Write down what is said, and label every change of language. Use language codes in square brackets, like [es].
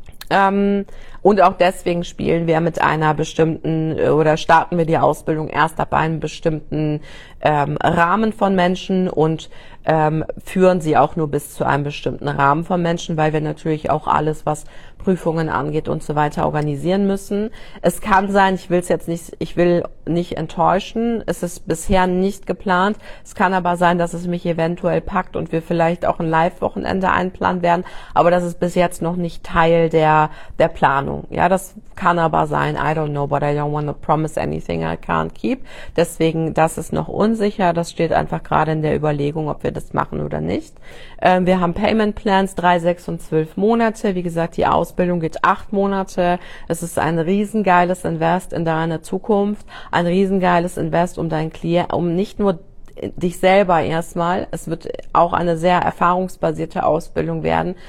[de] Und auch deswegen spielen wir mit einer bestimmten, oder starten wir die Ausbildung erst ab einem bestimmten Rahmen von Menschen und führen sie auch nur bis zu einem bestimmten Rahmen von Menschen, weil wir natürlich auch alles, was Prüfungen angeht und so weiter, organisieren müssen. Es kann sein, ich will nicht enttäuschen, es ist bisher nicht geplant. Es kann aber sein, dass es mich eventuell packt und wir vielleicht auch ein Live-Wochenende einplanen werden, aber das ist bis jetzt noch nicht Teil der Planung. Ja, das kann aber sein, [en] I don't know, but I don't want to promise anything I can't keep. [de] Deswegen, das ist noch unsicher, das steht einfach gerade in der Überlegung, ob wir das machen oder nicht. Wir haben Payment Plans, 3, 6 und 12 Monate. Wie gesagt, die Ausbildung geht 8 Monate. Es ist ein riesengeiles Invest in deine Zukunft, ein riesengeiles Invest, um deinen Klient, um nicht nur dich selber erstmal, es wird auch eine sehr erfahrungsbasierte Ausbildung werden.